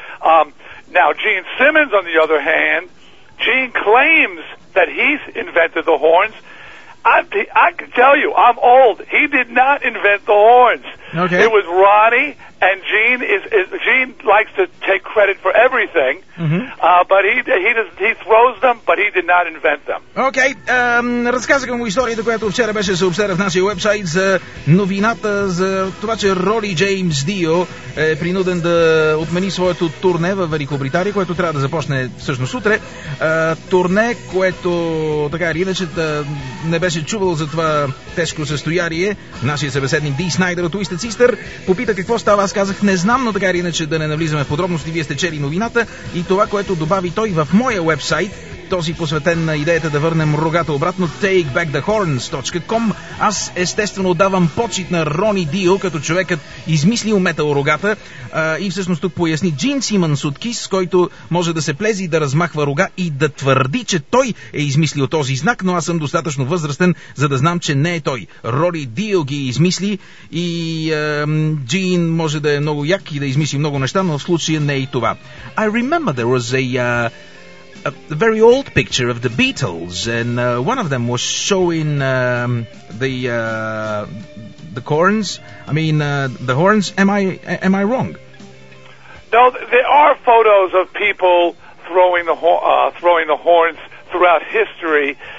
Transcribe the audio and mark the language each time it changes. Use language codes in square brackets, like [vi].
[en] Now, Gene Simmons, on the other hand, Gene claims that he's invented the horns. I can tell you, I'm old. He did not invent the horns. Okay. It was Ronnie And Gene likes to take credit for everything, but he throws them, but he did not invent them. [bg] Okay, разказах му историята, която вчера беше съобщена в нашия уебсайт за новината за това, че Роли Джеймс Дио е принуден да отмени своето турне в Великобритания, което трябва да започне всъщност утре. Турне, което така или иначе не беше чувал за това тежко състояние. Нашия събеседник Ди Снайдер от Twisted Sister попита какво става. Аз казах, не знам, но така или иначе да не навлизаме в подробности, вие сте чели новината и това, което добави той в моя уебсайт, този посветен на идеята да върнем рогата обратно, takebackthehorns.com. Аз естествено давам почит на Рони Дио, като човекът измислил метал рогата, и всъщност тук поясни Джин Симънс от Кис, който може да се плези, да размахва рога и да твърди, че той е измислил този знак, но аз съм достатъчно възрастен, за да знам, че не е той. Рони Дио ги измисли и Джин може да е много як и да измисли много неща, но в случая не е и това. [en] I remember there was a very old picture of the Beatles, and one of them was showing the horns. I mean, the horns. Am I wrong? No, there are photos of people throwing the horns throughout history.